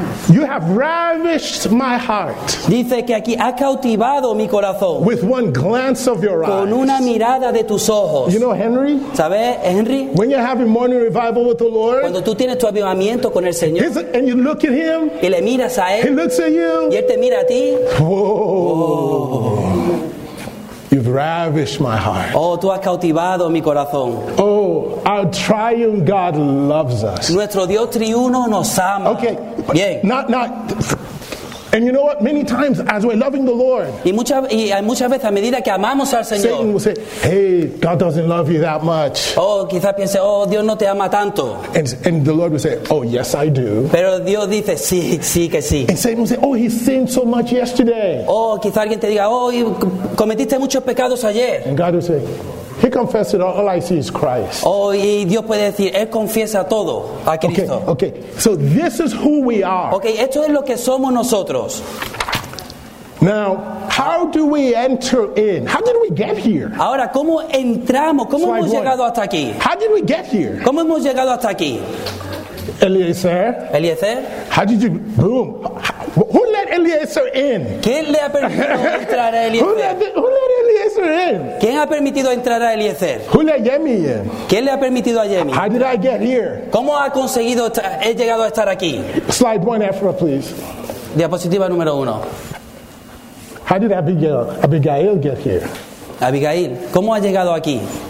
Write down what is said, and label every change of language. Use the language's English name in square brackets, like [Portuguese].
[English] You have ravished my heart. [Spanish] Dice que aquí ha cautivado mi corazón. [English] With one glance of your eyes. [Spanish] Con una mirada de tus ojos. [English] You know Henry? [Spanish] ¿Sabes, Henry? [English] When you're having morning revival with the Lord. [Spanish] Cuando tú tienes tu avivamiento con el Señor. [English] And you look at him. [Spanish] Y le miras a él. [English] He looks at you. [Spanish] Y él te mira a ti. Whoa. [English] You've ravished my heart. [Spanish] Oh, tú has cautivado mi corazón. [English] Oh, our triune God loves us. [Spanish] Nuestro Dios triuno nos ama. [English] Okay. [Spanish] Bien. [English] Not. And you know what? Many times as we're loving the Lord. [Spanish] Y muchas veces a medida que amamos al Señor. [English] Satan will say, "Hey, God doesn't love you that much." [Spanish] Oh, quizá piense, "Oh, Dios no te ama tanto." [English] And the Lord will say, "Oh, yes I do." [Spanish] Pero Dios dice, "Sí, sí que sí." [English] And Satan will say, "Oh, he sinned so much yesterday." [Spanish] Oh, quizá alguien te diga, "Oh, cometiste muchos pecados ayer." [English] And God will say, "He confessed it all. I see is Christ." [Spanish] Oh, y Dios puede decir, él confiesa todo a Cristo. [English] Okay. So this is who we are. [Spanish] Okay, esto es lo que somos nosotros. [English] Now, how do we enter in? How did we get here? [Spanish] Ahora, ¿cómo entramos? ¿Cómo hemos llegado hasta aquí? [English] How did we get here? [Spanish] ¿Cómo hemos llegado hasta aquí? Eliezer. Eliezer. [English] How did you? Boom. Who Eliezer in? [Spanish] ¿Quién le ha permitido entrar a Eliezer? [English] Who let Eliezer in? [Spanish] ¿Quién ha permitido entrar a Eliezer? [English] Who let Yemi in? [Spanish] ¿Quién le ha permitido a Yemi? [English] How did I get here? [Spanish] ¿Cómo ha conseguido he llegado a estar aquí? [English] Slide one, Ephra, please. [Spanish] Diapositiva número uno. [English] How did Abigail get here? [Spanish] Abigail, ¿cómo ha llegado aquí?